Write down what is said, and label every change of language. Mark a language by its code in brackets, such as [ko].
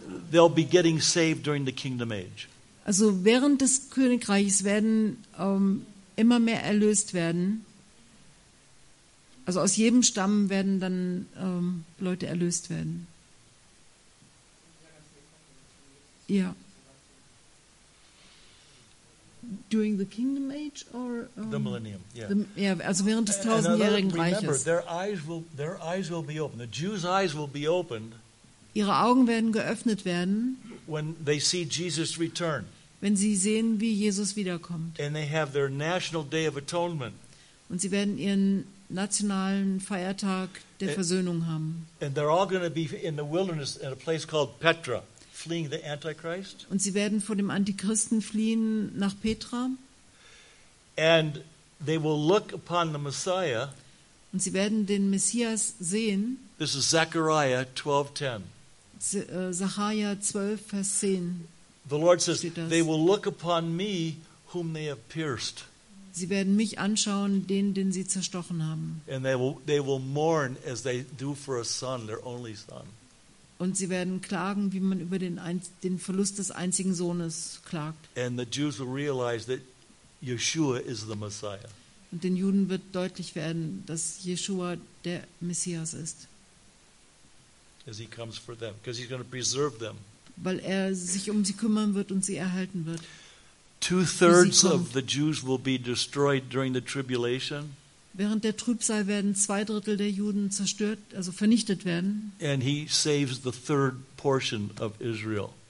[en] they'll be getting saved during the kingdom age. [de] Also während des Königreichs werden immer mehr erlöst werden. Also aus jedem Stamm werden dann Leute erlöst werden. Ja. [en] During the kingdom age or the millennium? Yeah. [de] Also während des tausendjährigen Reiches. [en] Remember, their eyes will be opened. The Jews' eyes will be opened. [de] Ihre Augen werden geöffnet werden. [en] When they see Jesus return. [de] Wenn sie sehen, wie Jesus wiederkommt. [en] And they have their national day of atonement. [de] Und sie werden ihren nationalen Feiertag der Versöhnung haben. [en] And they're all going to be in the wilderness at a place called Petra. Fleeing the Antichrist. [de] Und sie werden vor dem Antichristen fliehen nach Petra. [en] And they will look upon the Messiah. [de] Und sie werden den Messias sehen. [en] This is Zechariah 12:10. [de] Zechariah 12, Vers 10. [en] The Lord says, they will look upon me whom they have pierced. [de] Sie werden mich anschauen, den sie zerstochen haben. [en] And they will mourn as they do for a son, their only son. [de] Und sie werden klagen, wie man über den Verlust des einzigen Sohnes klagt. [en] And the Jews will realize that Yeshua is the Messiah. [de] Und den Juden wird deutlich werden, dass Yeshua der Messias ist. [en] As he comes for them, because he's going to preserve them. [de] Weil er sich um sie kümmern wird und sie erhalten wird. [en] 2/3 of the Jews will be destroyed during the tribulation. [de] Während der Trübsal werden 2/3 der Juden zerstört, also vernichtet werden. [en] And he saves the third portion of Israel.